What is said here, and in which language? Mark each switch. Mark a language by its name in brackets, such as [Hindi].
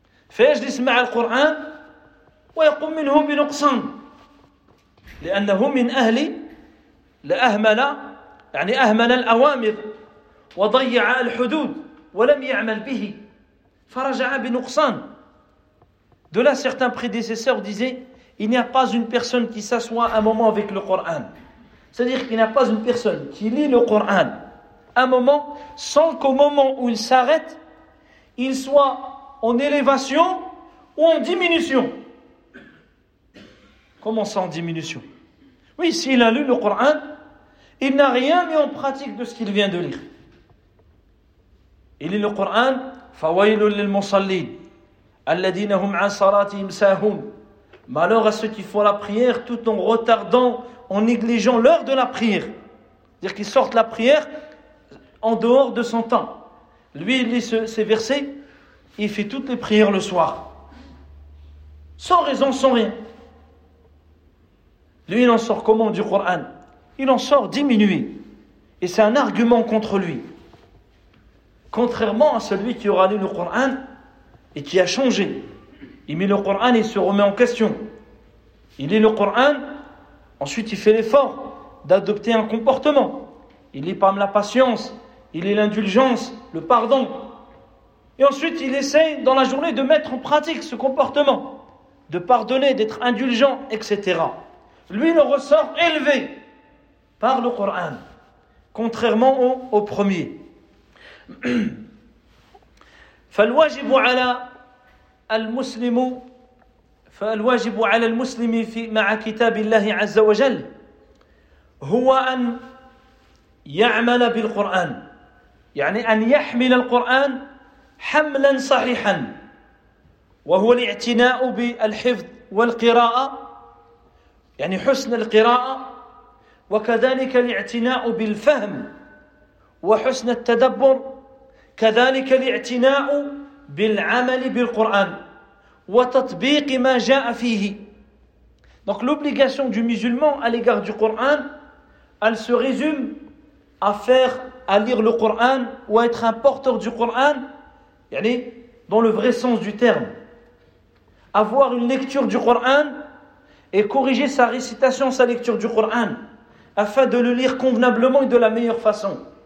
[Arabic] فيجلس مع القرآن ويقوم منه بنقصان لأنه من أهل لأهمل يعني أهمل الأوامر وضيع الحدود ولم يعمل به فرجع بنقصان. [French] De là, certains prédécesseurs disaient, il n'y a pas une personne qui s'assoit un moment avec le Coran. C'est-à-dire qu'il n'y a pas une personne qui lit le Coran un moment sans qu'au moment où il s'arrête, il soit en élévation ou en diminution. Comment ça en diminution? Oui, s'il a lu le Coran, il n'a rien mis en pratique de ce qu'il vient de lire. Il lit le Coran, [Arabic] فَوَيْلٌ لِلْمُصَلِّينَ الَّذِينَ هُمْ عَنْ صَلَاتِهِمْ سَاهُونَ. [French] Malheur à ceux qui font la prière tout en retardant, en négligeant l'heure de la prière. C'est-à-dire qu'ils sortent la prière en dehors de son temps. Lui, il lit ces versets, il fait toutes les prières le soir. Sans raison, sans rien. Lui, il en sort comment du Coran? Il en sort diminué. Et c'est un argument contre lui. Contrairement à celui qui aura lu le Coran et qui a changé. Il met le Coran et il se remet en question. Il lit le Coran, ensuite il fait l'effort d'adopter un comportement. Il lit par la patience, il lit l'indulgence, le pardon. Et ensuite, il essaie dans la journée de mettre en pratique ce comportement, de pardonner, d'être indulgent, etc. Lui, il en ressort élevé par le Coran, contrairement au premier. [Arabic] فالواجب على المسلم فالواجب على المسلم في مع كتاب الله عز وجل هو أن يعمل بالقرآن يعني أن يحمل القرآن حملا صحيحا وهو الاعتناء بالحفظ والقراءة يعني حسن القراءة وكذلك الاعتناء بالفهم وحسن التدبر كذلك الاعتناء بالعمل بالقرآن وتطبيق ما جاء فيه. [French] Donc l'obligation du musulman à l'égard du Coran, elle se résume à faire, à lire le Coran ou à être un porteur du Coran, yani dans le vrai sens du terme. Avoir une lecture du Coran et corriger sa récitation, sa lecture du Coran, afin de le lire convenablement et de la meilleure façon.